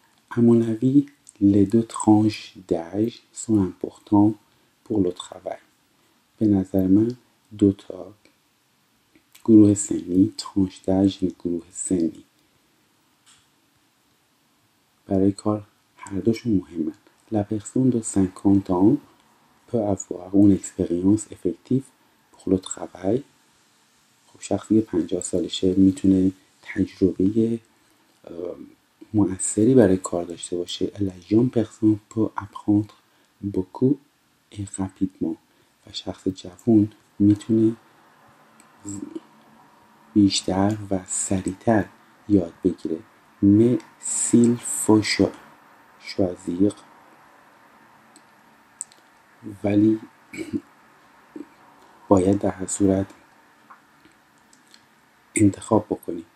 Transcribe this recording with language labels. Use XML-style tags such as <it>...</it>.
<fr>à mon avis les deux tranches d'âge sont importantes pour le travail</fr> <fa>به نظر من دو تا گروه سنی tranche d'âge و گروه سنی برای کار هر دوشون مهمه.</fa> <fr>La personne de 50 ans peut avoir une expérience effective pour le travail.</fr> <fa>خب شخصی 50 سالشه میتونه تجربه موثری برای کار داشته باشه.</fa> <fr>La jeune personne peut apprendre beaucoup et rapidement.</fr> <fa>و شخص جوان میتونه بیشتر و سریعتر یاد بگیره.</fa> <fr>Mais s'il faut choisir,</fr> <fa>vali باید در صورت انتخاب بکنی.</fa>